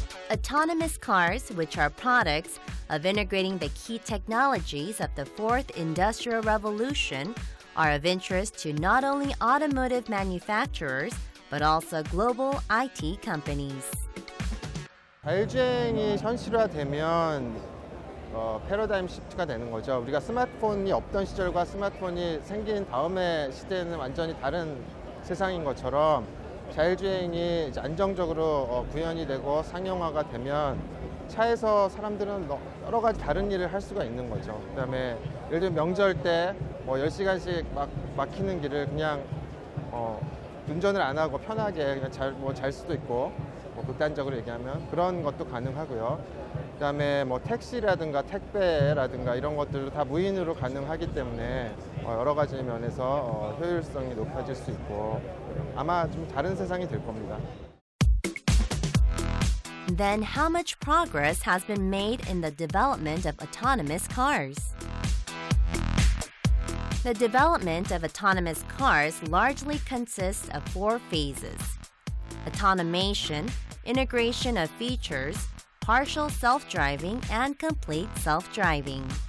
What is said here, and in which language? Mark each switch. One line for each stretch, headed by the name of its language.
English: Autonomous cars, which are products of integrating the key technologies of the fourth industrial revolution, are of interest to not only automotive manufacturers, but also global IT companies.
Korean: 자율주행이 현실화되면 패러다임 시프트가 되는 거죠. 우리가 스마트폰이 없던 시절과 스마트폰이 생긴 다음의 시대는 완전히 다른 세상인 것처럼 자율주행이 이제 안정적으로 구현이 되고 상용화가 되면 차에서 사람들은 여러 가지 다른 일을 할 수가 있는 거죠. 그다음에 예를 들면 명절 때 뭐 10시간씩 막히는 길을 그냥 운전을 안 하고 편하게 그냥 잘 수도 있고 뭐 극단적으로 얘기하면 그런 것도 가능하고요. 그다음에 뭐 택시라든가 택배라든가 이런 것들도 다 무인으로 가능하기 때문에 여러 가지 면에서 효율성이 높아질 수 있고 아마 좀 다른 세상이 될 겁니다.
English: Then how much progress has been made in the development of autonomous cars? The development of autonomous cars largely consists of four phases: autonomation, integration of features, partial self-driving, and complete self-driving.